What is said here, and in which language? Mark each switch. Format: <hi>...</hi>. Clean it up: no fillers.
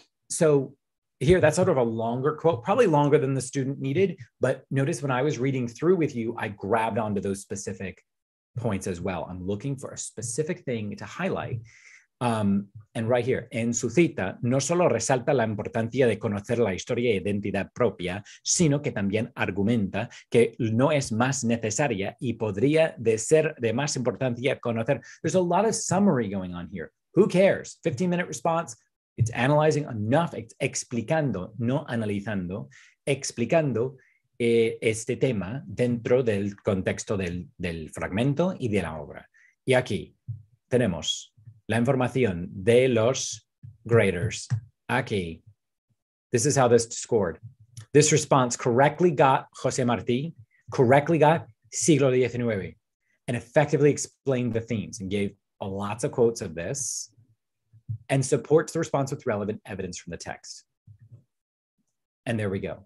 <en>So here, that's sort of a longer quote, probably longer than the student needed. But notice when I was reading through with you, I grabbed onto those specific points as well. I'm looking for a specific thing to highlight. And right here,</en> <es>en su cita, no solo resalta la importancia de conocer la historia e identidad propia, sino que también argumenta que no es más necesaria y podría de ser de más importancia conocer.</es> <en>There's a lot of summary going on here. Who cares? 15-minute response. It's analyzing enough,</en> <es>explicando, no analizando, explicando este tema dentro del contexto del fragmento y de la obra. Y aquí tenemos la información de los graders. Aquí,</es> <en>this is how this scored. This response correctly got José Martí, correctly got siglo XIX, and effectively explained the themes and gave lots of quotes of this and supports the response with relevant evidence from the text. And there we go.</en>